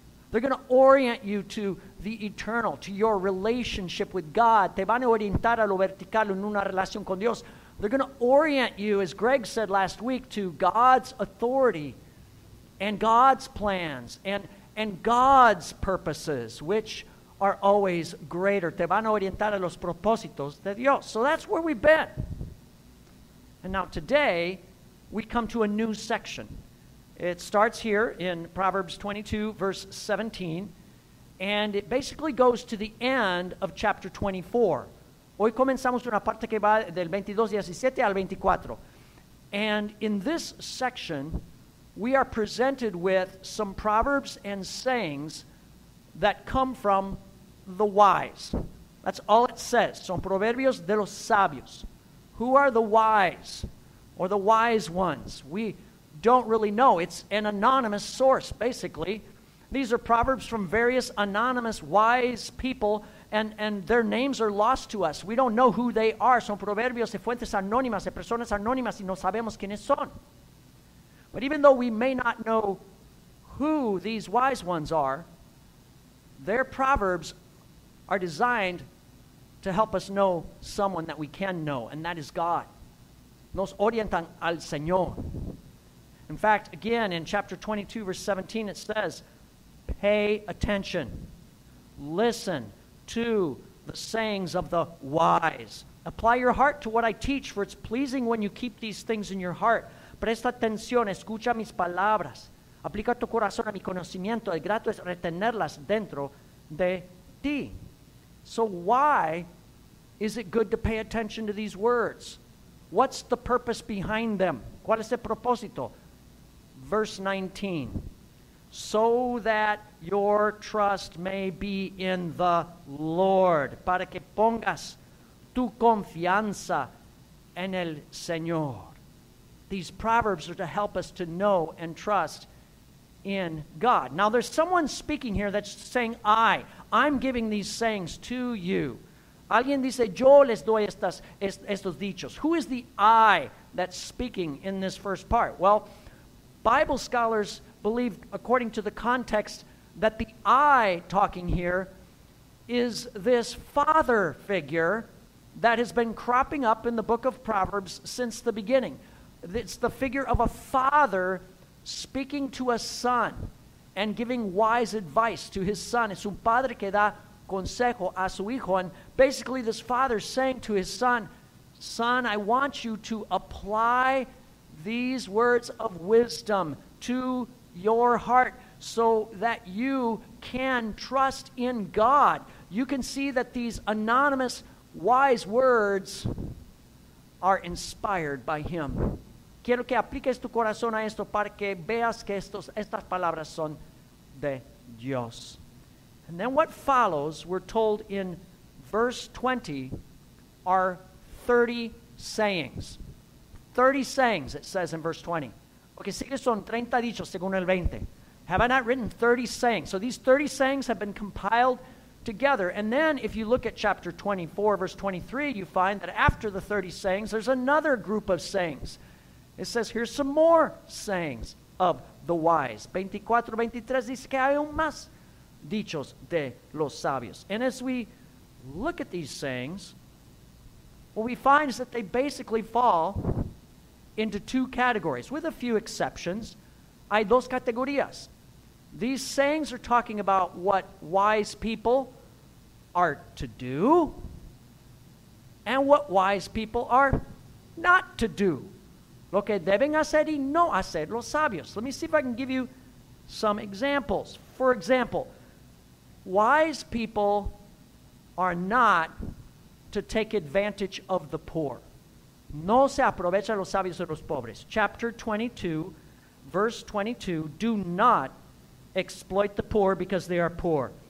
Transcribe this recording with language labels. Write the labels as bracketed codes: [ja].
[en] They're going to orient you to the eternal, to your relationship with God. [es] Te van a orientar a lo vertical en una relación con Dios. [en] They're going to orient you, as Greg said last week, to God's authority and God's plans and God's purposes, which are always greater. [es] Te van a orientar a los propósitos de Dios. [en] So that's where we've been. And now today, we come to a new section. It starts here in Proverbs 22, verse 17, and it basically goes to the end of chapter 24. [es] Hoy comenzamos una parte que va del 22, 17 al 24. [en] And in this section, we are presented with some proverbs and sayings that come from the wise. That's all it says. [es] Son proverbios de los sabios. [en] Who are the wise or the wise ones? We don't really know. It's an anonymous source, basically. These are proverbs from various anonymous wise people, and their names are lost to us. We don't know who they are. [es] Son proverbios de fuentes anónimas, de personas anónimas, y no sabemos quiénes son. [en] But even though we may not know who these wise ones are, their proverbs are designed to help us know someone that we can know, and that is God. [es] Nos orientan al Señor. [en] In fact, again, in chapter 22, verse 17, it says, pay attention, listen to the sayings of the wise. Apply your heart to what I teach, for it's pleasing when you keep these things in your heart. [es] Presta atención, escucha mis palabras. Aplica tu corazón a mi conocimiento. El grato es retenerlas dentro de ti. [en] So why is it good to pay attention to these words? What's the purpose behind them? [es] ¿Cuál es el propósito? [en] Verse 19. So that your trust may be in the Lord. [es] Para que pongas tu confianza en el Señor. [en] These proverbs are to help us to know and trust in God. Now, there's someone speaking here that's saying, I'm giving these sayings to you. [es] Alguien dice, yo les doy estos dichos. [en] Who is the I that's speaking in this first part? Well, Bible scholars believe, according to the context, that the I talking here is this father figure that has been cropping up in the book of Proverbs since the beginning. It's the figure of a father speaking to a son and giving wise advice to his son. [es] Es un padre que da consejo a su hijo. [en] And basically, this father saying to his son, son, I want you to apply these words of wisdom to your heart so that you can trust in God. You can see that these anonymous wise words are inspired by him. [es] Quiero que apliques tu corazón a esto para que veas que estas palabras son de Dios. [en] And then what follows, we're told in verse 20, are 30 sayings. 30 sayings, it says in verse 20. Okay, [es] sigue son 30 dichos según el 20. [en] Have I not written 30 sayings? So these 30 sayings have been compiled together. And then if you look at chapter 24, verse 23, you find that after the 30 sayings, there's another group of sayings. It says, here's some more sayings of the wise. [es] 24, 23 dice que hay aún más dichos de los sabios. [en] And as we look at these sayings, what we find is that they basically fall into two categories, with a few exceptions. [es] Hay dos categorías. [en] These sayings are talking about what wise people are to do and what wise people are not to do. [es] Lo que deben hacer y no hacer los sabios. [en] Let me see if I can give you some examples. For example, wise people are not to take advantage of the poor. [es] No se aprovechan los sabios de los pobres. [en] Chapter 22, verse 22, do not exploit the poor because they are poor.